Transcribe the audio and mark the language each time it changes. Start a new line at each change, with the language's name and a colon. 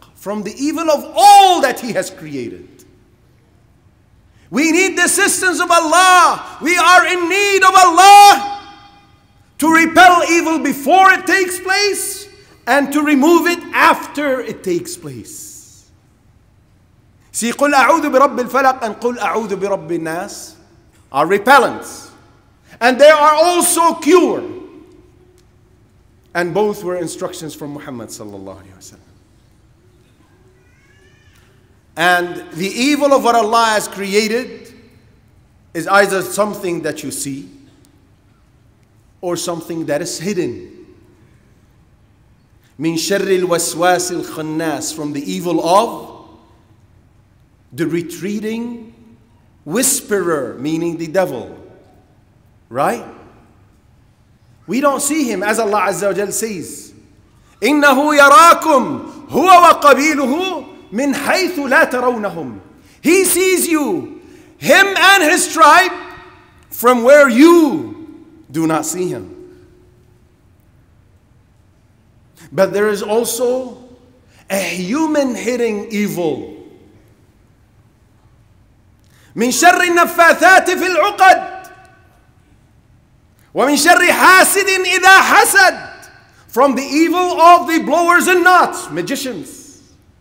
English: From the evil of all that he has created. We need the assistance of Allah. We are in need of Allah to repel evil before it takes place and to remove it after it takes place. See,
Arabic: قُلْ أَعُوذُ بِرَبِّ الْفَلَقِ and قُلْ أَعُوذُ بِرَبِّ النَّاسِ
English: are repellents. And they are also cure. And both were instructions from Muhammad sallallahu alayhi wa sallam. And the evil of what Allah has created is either something that you see or something that is hidden.
Arabic: مِنْ شَرِّ الْوَسْوَاسِ الْخَنَّاسِ
English: from the evil of the retreating whisperer, meaning the devil. Right? We don't see him as Allah Azza wa Jal says.
Arabic: إِنَّهُ يَرَاكُمْ هُوَ وَقَبِيلُهُ مِنْ حَيْثُ لَا تَرَوْنَهُمْ
English: He sees you, him and his tribe, from where you do not see him. But there is also a human hidden evil.
Arabic: مِنْ شَرِّ النَّفَّاثَاتِ فِي الْعُقَدِ وَمِنْ شَرِّ حَاسِدٍ إِذَا حَسَدْ
English: From the evil of the blowers in knots, magicians.